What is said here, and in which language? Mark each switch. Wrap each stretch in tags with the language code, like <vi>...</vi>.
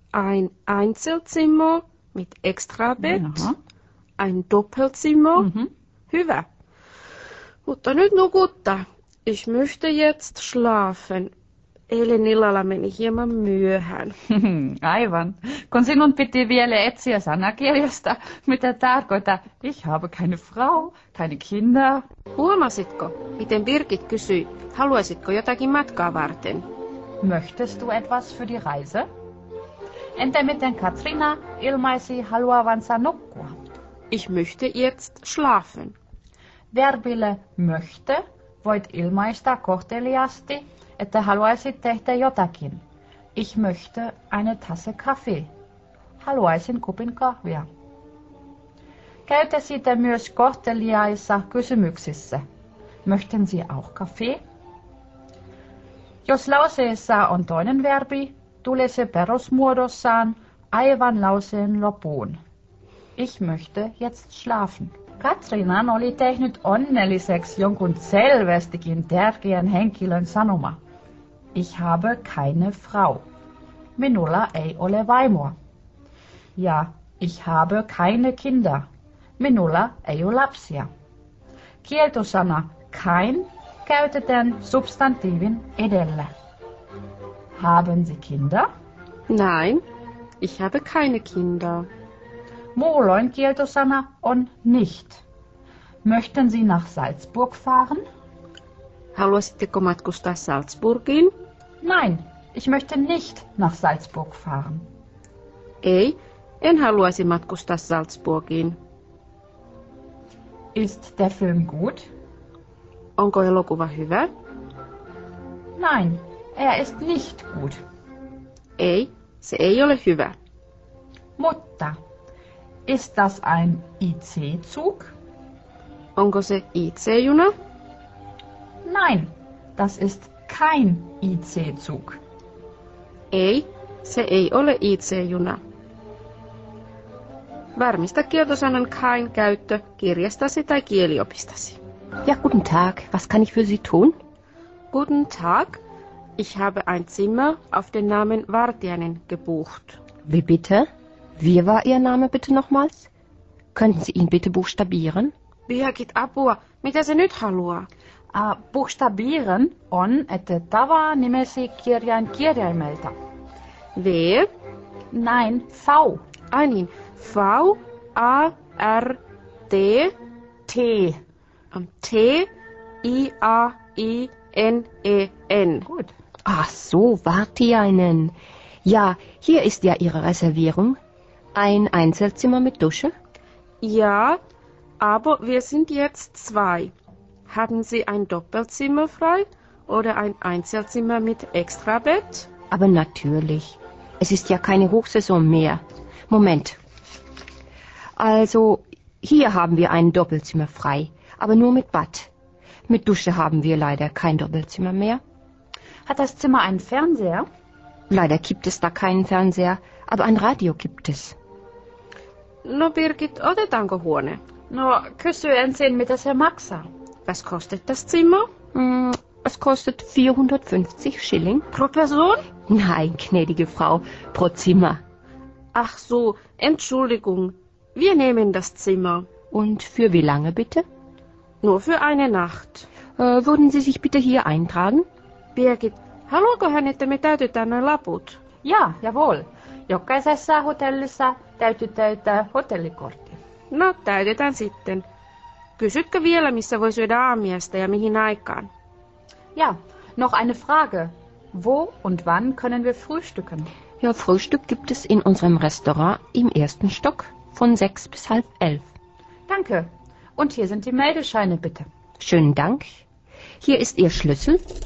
<de>Ein Einzelzimmer mit extra Bett, ein Doppelzimmer,</de> <fi>Hyvä. Mutta nyt nukuttaa.</fi> <de>Ich möchte jetzt schlafen.</de> <fi>Eilen illalla meni hieman myöhään. Aivan. Kun sinun piti vielä etsiä sanakirjasta, mitä tarkoita,</fi> <de>ich habe keine Frau, keine Kinder.</de> <fi>Huomasitko, miten Birgit kysyi, haluaisitko jotakin matkaa varten?</fi> <de>Möchtest du etwas für die Reise?</de> <fi>Entä miten Katrina ilmaisi haluavansa nukkua?</fi> <de>Ich möchte jetzt schlafen.</de> <fi>Verbille möchte voit ilmaista kohteliasti, että haluaisit tehdä jotakin.</fi> <de>Ich möchte eine Tasse Kaffee.</de> <fi>Haluaisin kupin kahvia. Käytä sitä myös kohteliaissa kysymyksissä.</fi> <de>Möchten Sie auch Kaffee?</de> <fi>Jos lauseessa on toinen verbi, tulee se perusmuodossaan aivan lauseen lopuun.</fi> <de>Ich möchte jetzt schlafen.</de> <fi>Katrinan oli tehnyt onnelliseksi jonkun selvästikin tärkeän henkilön sanoma.</fi> <de>Ich habe keine Frau.</de> <fi>Minulla ei ole vaimoa.</fi> <de>Ja, ich habe keine Kinder.</de> <fi>Minulla ei ole lapsia. Kieltosana kein käytetään substantiivin edellä.</fi> <de>Haben Sie Kinder? Nein, ich habe keine Kinder.</de> <fi>Muulloin kieltosana on nicht.</fi> <de>Möchten Sie nach Salzburg fahren?</de> <fi>Haluaisitteko matkustaa Salzburgiin?</fi> <de>Nein, ich möchte nicht nach Salzburg fahren.</de> <fi>Ei, en haluaisi matkustaa Salzburgiin.</fi> <de>Ist der Film gut?</de> <fi>Onko elokuva hyvä?</fi> <de>Nein, er ist nicht gut.</de> <fi>Ei, se ei ole hyvä.</fi> <de>Mutta, ist das ein IC-Zug?</de> <fi>Onko se IC-juna?</fi> <de>Nein, das ist kein IC-Zug.</de> <fi>Ei, se ei ole IC-juna. Varmista kieltosanan kein käyttö kirjastasi tai kieliopistasi.</fi> <de>Ja, guten Tag. Was kann ich für Sie tun? Guten Tag, ich habe ein Zimmer auf den Namen Vartiainen gebucht. Wie bitte? Wie war Ihr Name bitte nochmals? Könnten Sie ihn bitte buchstabieren?</de> <fi>Birgit Apua, mitä se nyt haluaa? Buchstabieren on, että tava nimesi kirjain kirjaimelta. V?</fi> <de>Nein, V.</de> <fi>Niin, V, A, R, T, T. T, I, A, I, N, E, N.</fi> <de>Gut. Ach so, Vartiainen. Ja, hier ist ja Ihre Reservierung. Ein Einzelzimmer mit Dusche? Ja, aber wir sind jetzt zwei. Haben Sie ein Doppelzimmer frei oder ein Einzelzimmer mit Extrabett? Aber natürlich. Es ist ja keine Hochsaison mehr. Moment. Also, hier haben wir ein Doppelzimmer frei, aber nur mit Bad. Mit Dusche haben wir leider kein Doppelzimmer mehr. Hat das Zimmer einen Fernseher? Leider gibt es da keinen Fernseher, aber ein Radio gibt es.</de> <fi>No, Birgit, otetaanko huone? No, kysy ensin, mitä se maksaa.</fi> <de>Was kostet das Zimmer? Es kostet 450 Schilling. Pro Person? Nein, gnädige Frau, pro Zimmer. Ach so, Entschuldigung, wir nehmen das Zimmer. Und für wie lange bitte? Nur für eine Nacht. Würden Sie sich bitte hier eintragen?</de> <fi>Birgit, haluanko hän, että me täytetään ne laput?</fi> <de>Ja, jawohl.</de> <fi>Jokaisessa hotellissa täytyy täyttää hotellikortti. No, täytetään sitten. Kysytkö vielä, missä voi syödä aamiaista ja mihin aikaan?</fi> <de>Ja, noch eine Frage. Wo und wann können wir frühstücken? Ja, Frühstück gibt es in unserem Restaurant im ersten Stock von 6 bis 10:30. Danke. Und hier sind die Meldescheine, bitte. Schönen Dank. Hier ist Ihr Schlüssel.</de>